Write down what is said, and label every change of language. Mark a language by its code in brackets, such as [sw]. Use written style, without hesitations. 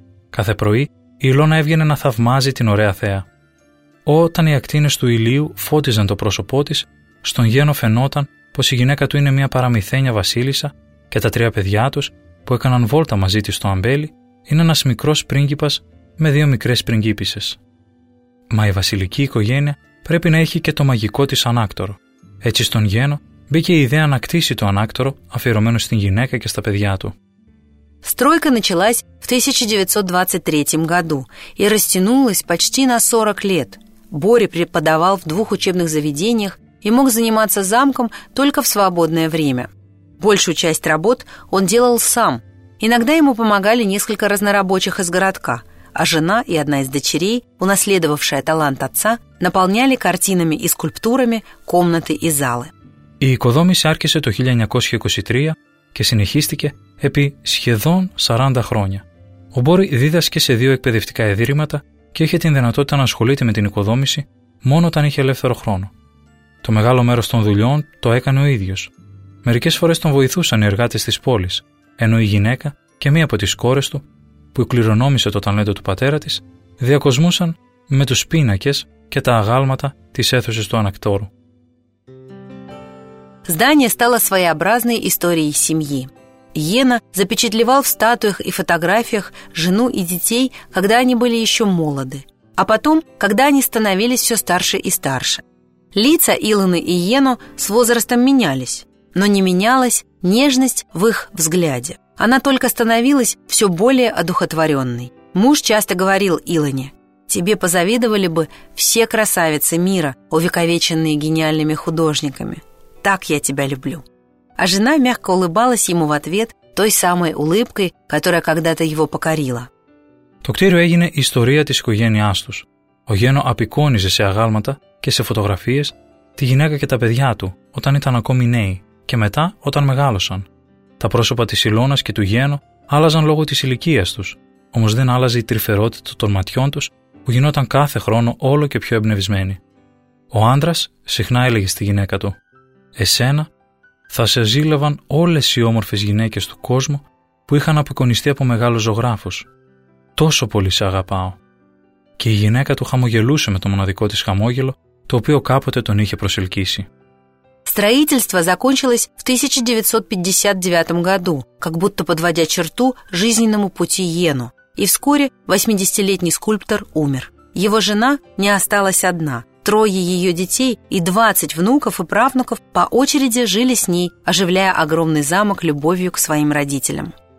[el] Κάθε πρωί η Ιλώνα έβγαινε να θαυμάζει την ωραία θέα. Όταν οι ακτίνες του ηλίου φώτιζαν το πρόσωπό της, στον Γένο φαινόταν πως η γυναίκα του είναι μια παραμυθένια βασίλισσα και τα τρία παιδιά τους που έκαναν βόλτα μαζί της στο αμπέλι είναι ένας μικρός πρίγκιπας με δύο μικρές πριγκίπισσες. Μα η βασιλική οικογένεια πρέπει να έχει και το μαγικό της ανάκτορο. Έτσι στον Γένο μπήκε η ιδέα να κτίσει το ανάκτορο αφιερωμένο στην γυναίκα και στα παιδιά του. [ru] Стройка началась в 1923 году и растянулась почти на 40 лет. Бори преподавал в двух учебных заведениях и мог заниматься замком только в свободное время. Большую часть работ он делал сам. Иногда ему помогали несколько разнорабочих из городка, а жена и одна из дочерей, унаследовавшая талант отца, наполняли картинами и скульптурами комнаты и залы. [el] Η οικοδόμηση άρχισε το 1923 και συνεχίστηκε επί σχεδόν 40 χρόνια. Ο Μπόρι δίδασκε σε δύο εκπαιδευτικά ιδρύματα και είχε την δυνατότητα να ασχολείται με την οικοδόμηση μόνο όταν είχε ελεύθερο χρόνο. Το μεγάλο μέρος των δουλειών το έκανε ο ίδιος. Μερικές φορές τον βοηθούσαν οι εργάτες της πόλης, ενώ η γυναίκα και μία από τις κόρες του, που κληρονόμησε το ταλέντο του πατέρα της, διακοσμούσαν με τους πίνακες και τα αγάλματα της αίθουσης του ανακτόρου. [ru] Здание стало своеобразной историей семьи. Йена запечатлевал в статуях и фотографиях жену и детей, когда они были еще молоды, а потом, когда они становились все старше и старше. Лица Илоны и Йено с возрастом менялись, но не менялась нежность в их взгляде. Она только становилась все более одухотворенной. Муж часто говорил Илоне: «Тебе позавидовали бы все красавицы мира, увековеченные гениальными художниками. Так я тебя люблю». А жена мягко улыбалась ему в ответ той самой улыбкой, которая когда-то его покорила. [el] Το κτίριο έγινε ιστορία της οικογένειάς τους. Ο Γένο απεικόνιζε σε αγάλματα και σε φωτογραφίες τη γυναίκα και τα παιδιά του όταν ήταν ακόμη νέοι και μετά όταν μεγάλωσαν. Τα πρόσωπα της Ιλώνας και του Γένο άλλαζαν λόγω της ηλικίας τους, όμως δεν άλλαζε η τρυφερότητα των ματιών τους που γινόταν κάθε χρόνο όλο και πιο εμπνευσμένη. Ο άντρας συχνά έλεγε στη γυναίκα του: «Εσένα θα σε ζήλευαν όλες οι όμορφες γυναίκες του κόσμου που είχαν απεικονιστεί από μεγάλους ζωγράφους. Τόσο πολύ σε αγαπάω». Και η γυναίκα του χαμογελούσε με το μοναδικό της χαμόγελο, το οποίο κάποτε τον είχε προσελκύσει. [ru] Строительство закончилось в 1959 году, как будто подводя черту жизненному пути Йену. И вскоре 80-летний скульптор умер. Его жена не осталась одна. Трое ее детей и 20 внуков и правнуков по очереди жили с ней, оживляя огромный замок любовью к своим родителям.